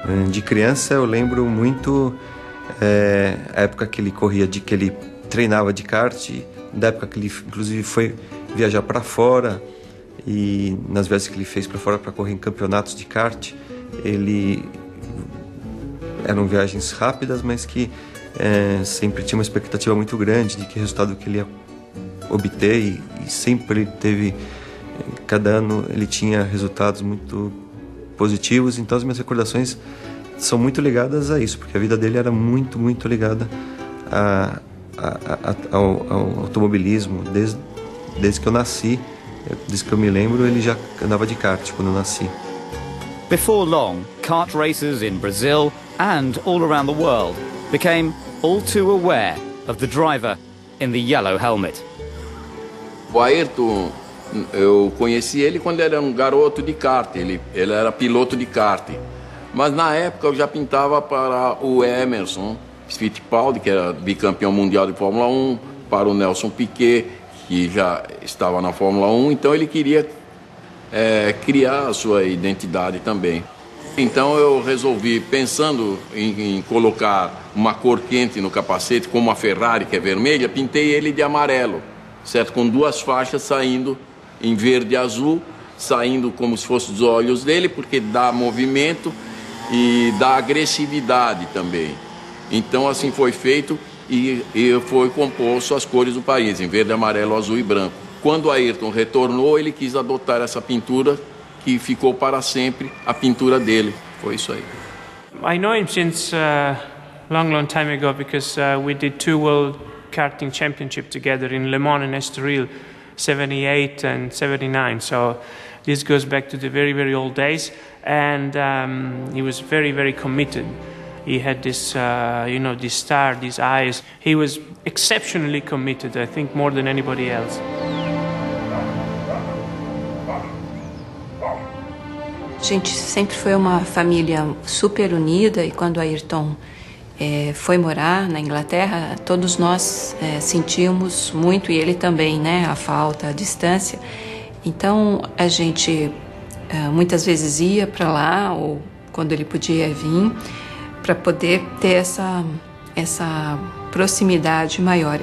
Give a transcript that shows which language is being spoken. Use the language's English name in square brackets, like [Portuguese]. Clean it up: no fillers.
[Portuguese] De criança, eu lembro muito a época que ele corria, de que ele treinava de kart, da época que ele, inclusive, foi viajar para fora, e nas vezes que ele fez para fora para correr em campeonatos de kart, ele eram viagens rápidas, mas que sempre tinha uma expectativa muito grande de que resultado que ele ia obter, e sempre ele teve, cada ano ele tinha resultados muito positivos. Então as minhas recordações são muito ligadas a isso, porque a vida dele era muito, muito ligada ao automobilismo. Desde que eu nasci, desde que eu me lembro, ele já andava de kart quando eu nasci. [English] Before long, kart races in Brazil and all around the world became all too aware of the driver in the yellow helmet. [Portuguese] O Ayrton, eu conheci ele quando ele era um garoto de kart, ele era piloto de kart. Mas na época eu já pintava para o Emerson Fittipaldi, que era bicampeão mundial de Fórmula 1, para o Nelson Piquet, que já estava na Fórmula 1, então ele queria criar a sua identidade também. Então eu resolvi, pensando em colocar uma cor quente no capacete, como a Ferrari, que é vermelha, pintei ele de amarelo, certo? Com duas faixas saindo em verde e azul, saindo como se fossem os olhos dele, porque dá movimento e dá agressividade também. Então assim foi feito. E foi composto as cores do país, em verde, amarelo, azul e branco. Quando Ayrton retornou, ele quis adotar essa pintura, que ficou para sempre a pintura dele. Foi isso aí. [English] I know him since a long, long time ago, because we did two World Karting Championship together in Le Mans and Estoril, 78 and 79. So this goes back to the very, very old days. And he was very, very committed. He had this, this star, these eyes. He was exceptionally committed, I think, more than anybody else. [Portuguese] A gente sempre foi uma família super unida, e quando Ayrton foi morar na Inglaterra, todos nós sentimos muito, e ele também, né, a falta, a distância. Então, a gente muitas vezes ia para lá, ou quando ele podia vir, para poder ter essa proximidade maior.